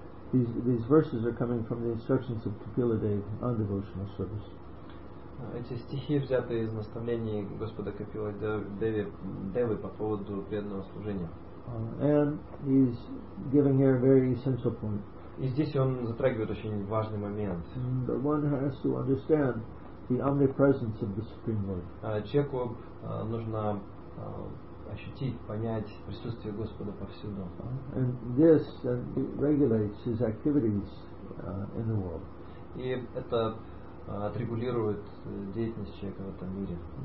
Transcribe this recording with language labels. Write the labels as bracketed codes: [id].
[en] These verses are coming from the instructions of Kapila Dev on devotional service. [ru] Эти стихи взяты из наставлений Господа Капилы Девы по поводу преданного служения. [en] And he's giving here a very essential point. [ru] И здесь он затрагивает очень важный момент. [en] But one has to understand the omnipresence of the Supreme Lord. [ru] Ощутить, понять присутствие Господа повсюду. [en] And this regulates his activities in the world. [ru] И это отрегулирует деятельность человека в этом мире.